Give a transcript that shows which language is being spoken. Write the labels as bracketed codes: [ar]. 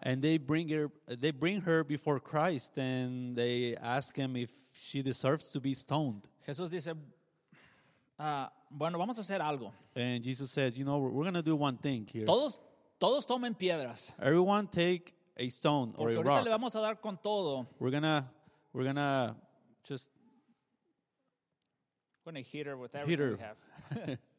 [en] And they bring her before Christ and they ask him if she deserves to be stoned. [es] Jesús dice, bueno, vamos a hacer algo. [en] And Jesus says, you know, we're going to do one thing here. [es] Todos tomen piedras. [en] Everyone take a stone [es] porque [en] or a [es] ahorita [en] rock. [es] Le vamos a dar con todo. [en] We're gonna just going to hit her with everything we have.